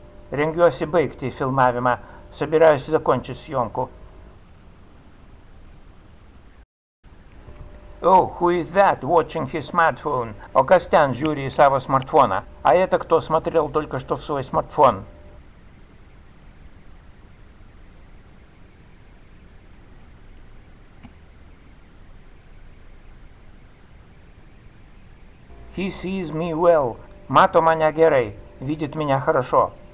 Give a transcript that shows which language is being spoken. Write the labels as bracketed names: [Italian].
[Lithuanian] Rengiuosi baigti filmavimą. [Russian] Собираюсь закончить съемку. [English] Oh, who is that watching his smartphone? [Lithuanian] O kas ten žiūri į savo smartfoną? [Russian] А это кто смотрел только что в свой смартфон? [English] He sees me well. [Russian] Мато меня герой, видит меня хорошо.